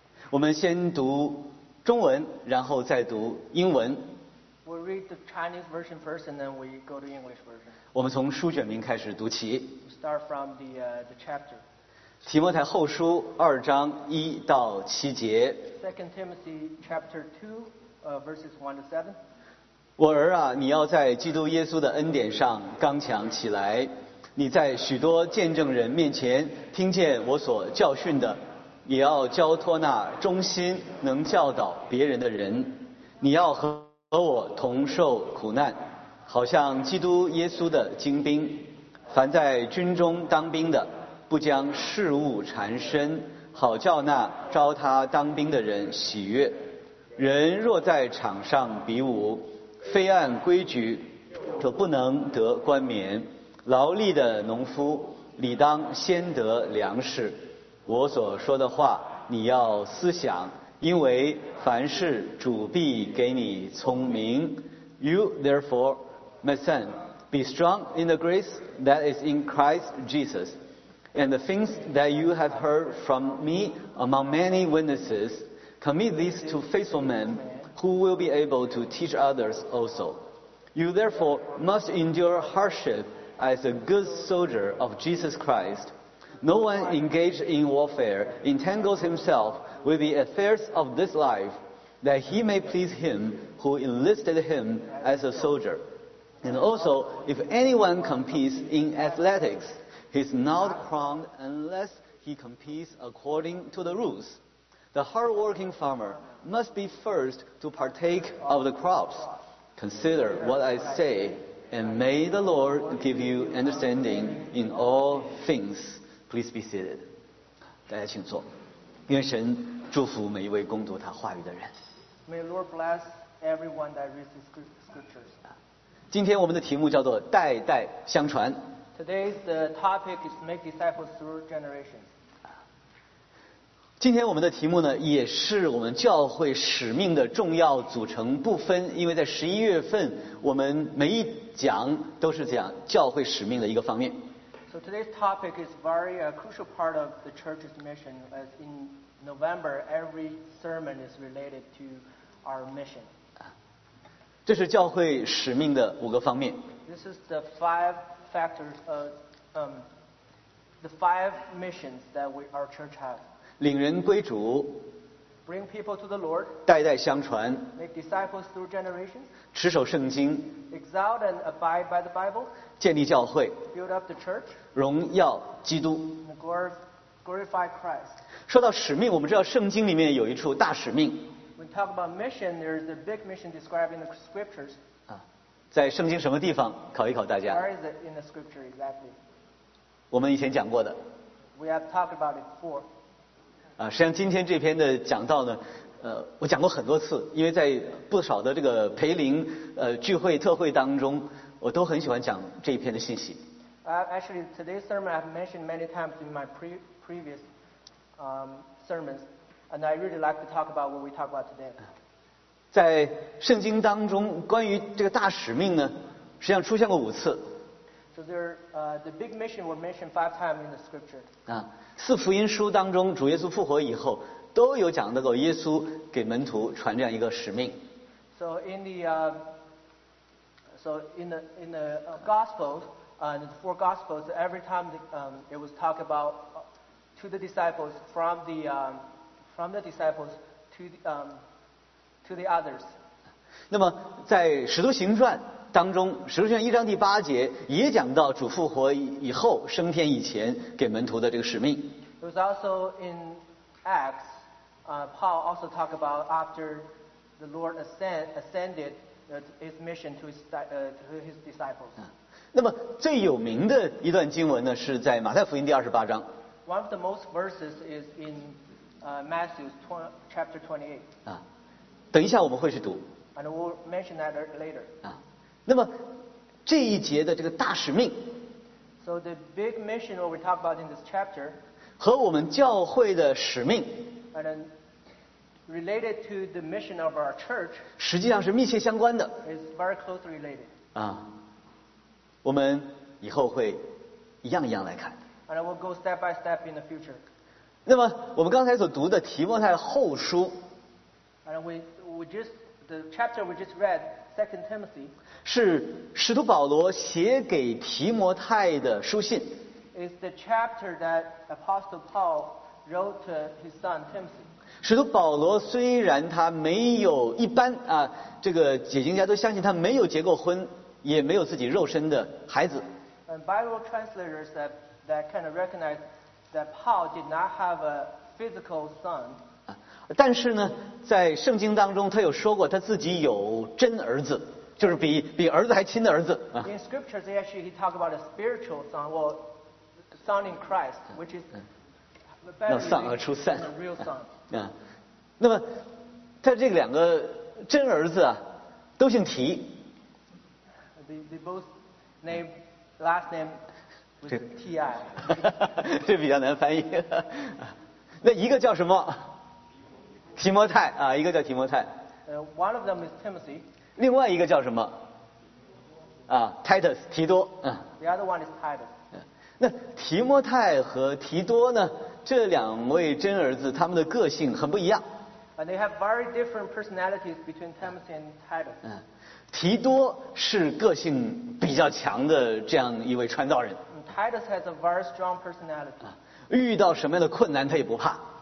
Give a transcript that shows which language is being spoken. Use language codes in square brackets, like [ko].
[zh] 我们先读中文，然后再读英文。 [en] We'll read the Chinese version first, and then we go to English version. [zh] 我们从书卷名开始读起。 [en] Start from the chapter. [zh] 提摩太后书二章一到七节。 [en] Second Timothy chapter two, verses 1-7. [zh] 我儿啊，你要在基督耶稣的恩典上刚强起来。你在许多见证人面前听见我所教训的，也要交托那忠心能教导别人的人。你要和我同受苦难，好像基督耶稣的精兵。凡在军中当兵的，不将事务缠身，好叫那招他当兵的人喜悦。人若在场上比武，非按规矩，可不能得冠冕。劳力的农夫，理当先得粮食。我所说的话，你要思想。因为凡事主必给你聪明。 [en] You therefore, my son, be strong in the grace that is in Christ Jesus. And the things that you have heard from me among many witnesses, commit these to faithful men who will be able to teach others also. You therefore must endure hardship as a good soldier of Jesus Christ. No one engaged in warfare entangles himselffith the affairs of this life, that he may please him who enlisted him as a soldier. And also, if anyone competes in athletics, he is not crowned unless he competes according to the rules. The hard-working farmer must be first to partake of the crops. Consider what I say, and may the Lord give you understanding in all things. Please be seated. [zh] 大家请坐。愿神祝福每一位攻读他话语的人。 [en] May the Lord bless everyone that reads the scriptures. [zh] 今天我们的题目叫做代代相传。 [en] Today's the topic is make disciples through generations. [zh] 今天我们的题目呢，也是我们教会使命的重要组成部分，因为在十一月份，我们每一讲都是讲教会使命的一个方面。 [en] So today's topic is very crucial part of the church's mission, as in November, every sermon is related to our mission. [zh] 这是教会使命的五个方面。 [en] This is the five factors of, the five missions that our church has. [zh] 领人归主。 [en] Bring people to the Lord. [zh] 代代相传。 [en] Make disciples through generations. [zh] 持守圣经。 [en] Exalt and abide by the Bible. [zh] 建立教会。 [en] Build up the church. [zh] 荣耀基督。 [en] Glorify Christ. [zh] 说到使命，我们知道圣经里面有一处大使命。 [en] When we talk about mission, there is a big mission described in the scriptures. [zh] 在圣经什么地方？考一考大家。 [en] Where is it in the scripture exactly? [zh] 我们以前讲过的。 [en] We have talked about it before. [zh] 实际上今天这篇的讲道呢，我讲过很多次，因为在不少的这个培灵聚会特会当中，我都很喜欢讲这一篇的信息。 [en] Actually, today's sermon I've mentioned many times in my previous sermons, and I really like to talk about what we talk about today. [zh] 在圣经当中，关于这个大使命呢，实际上出现过五次。 [en] So there, the big mission were mentioned five times in the scripture. [zh] 四福音书当中，主耶稣复活以后，都有讲到过耶稣给门徒传这样一个使命。 [en] So in the, Gospels, the four Gospels, every time it was talked about to the disciples from the disciples to the others. [zh] 那么在使徒行传。当中使徒行传一章第八节也讲到主复活以后升天以前给门徒的这个使命。 [en] It was also in Acts, Paul also talked about after the Lord ascended his mission to his disciples. [zh] 那么最有名的一段经文呢，是在马太福音第二十八章。 [en] One of the most verses is in Matthew chapter 28. [zh] 等一下我们会去读。 [en] And we'll mention that later. [zh] 那么这一节的这个大使命 [en] So the big mission what we talk about in this chapter [zh] 和我们教会的使命 [en] And then related to the mission of our church [zh] 实际上是密切相关的 [en] It's very closely related [zh] 我们以后会一样一样来看。 [en] And I will go step by step in the future. [zh] 那么我们刚才所读的提摩太后书。 [en] And the chapter we just read, Second Timothy. [zh] 是使徒保罗写给提摩太的书信。 [en] Is the chapter that Apostle Paul wrote to his son Timothy. [zh] 使徒保罗虽然他没有一般啊，这个解经家都相信他没有结过婚，也没有自己肉身的孩子。 [en] And Bible translators that kind of recognize that Paul did not have a physical son. [zh] 但是呢，在圣经当中，他有说过他自己有真儿子，就是比儿子还亲的儿子。 [en] In scriptures, actually, he talked about a spiritual son, well, son in Christ, which is the better son, a true son, a real son. [zh] 那么，他这个两个真儿子啊，都姓提。 [en] They both name last name. T.I. [zh] 这比较难翻译。那一个叫什么？提摩太啊，一个叫提摩太。 [en] One of them is Timothy. [zh] 另外一个叫什么？啊 ，Titus 提多。 [en] The other one is Titus. [zh] 那提摩太和提多呢？这两位真儿子，他们的个性很不一样。 [en] And they have very different personalities between Timothy and Titus. [zh] 提多是个性比较强的这样一位传道人。 [en] Titus has a very strong personality. [zh] 遇到什么样的困难他也不怕。